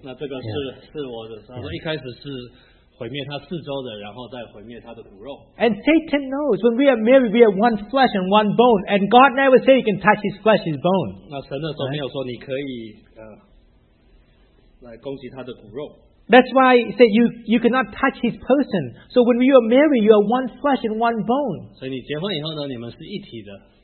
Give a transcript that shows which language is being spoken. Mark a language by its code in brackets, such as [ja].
[zh] 那这个是我的，一开始是毁灭他四周的，然后再毁灭他的骨肉。 [en] And Satan knows when we are married, we are one flesh and one bone, and God never said you can touch his flesh, his bone. [zh] 那神那时候没有说你可以来攻击他的骨肉。 [en] That's why he said you cannot touch his person. So when you are married, you are one flesh and one bone. [zh] 所以你结婚以后呢，你们是一体的。